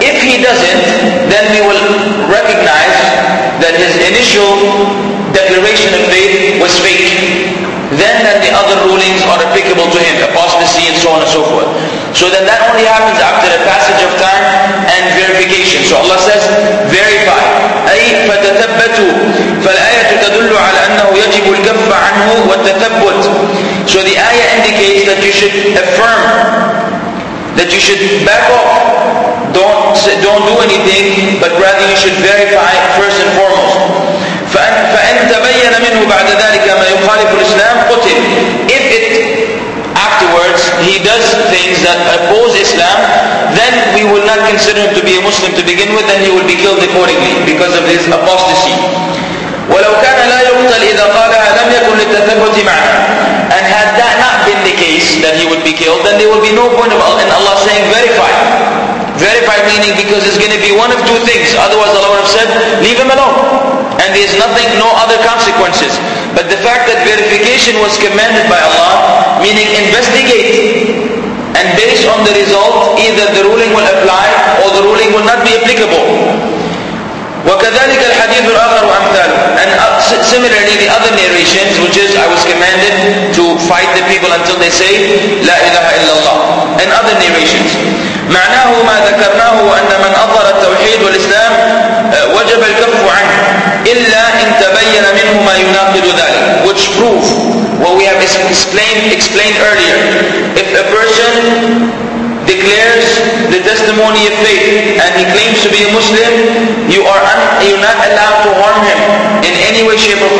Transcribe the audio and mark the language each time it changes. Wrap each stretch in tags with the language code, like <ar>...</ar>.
<en>If he doesn't, then we will recognize that his initial declaration of faith was fake. Then that the other rulings are applicable to him, apostasy and so on and so forth. So then that only happens after the passage of time and verification. So Allah says, verify.</en> <ar>أي فتثبتوا فالآية تدل على أنه يجب الكف عنه والتثبت.</ar> <en>So the ayah indicates that you should affirm, that you should back off. Don't do anything, but rather you should verify first and foremost.</en> <ar>فَإِن تَبَيَّنَ مِنْهُ بَعْدَ ذَلِكَ مَا يُخَالِفُ الْإِسْلَامِ قُتِلْ.</ar> <en>If it, afterwards, he does things that oppose Islam, then we will not consider him to be a Muslim to begin with, and he will be killed accordingly because of his apostasy.</en> <ar>وَلَوْ كَانَ لَا يُقْتَلْ إِذَا قَالَهَا لَمْ يَكُنْ لِلتَثَبُّتِ مَعْنَى.</ar> <en>And had that not been the case, that he would be killed, then there would be no point of Allah, in Allah saying, verify. Verify meaning because it's going to be one of two things. Otherwise Allah would have said, leave him alone. And there's nothing, no other consequences. But the fact that verification was commanded by Allah, meaning investigate. And based on the result, either the ruling will apply or the ruling will not be applicable.</en> <ar>وكذلك الحديث الآخر أمثال.</ar> <en>And similarly the other narrations, which is I was commanded to fight the people until they say لا إله إلا الله. And other narrations.</en> <ar>معناه ما ذكرناه أن من أظهر التوحيد والإسلام وجب الكف عنه إلا إن تبين منه ما يناقض ذلك.</ar> <en>Which proof what we have explained earlier. If a person declares the testimony of faith and he claims to be a Muslim, you're not allowed to harm him in any way, shape,</en>